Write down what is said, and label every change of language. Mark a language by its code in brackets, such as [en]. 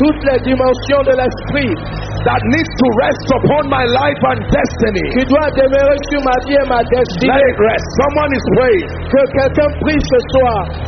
[fr] toutes les dimensions de l'esprit, [en] that needs to rest upon my life and destiny, [fr] qui doit demeurer sur ma vie et ma destinée, [en] let it rest. Someone is praying. [fr] Que quelqu'un prie ce soir.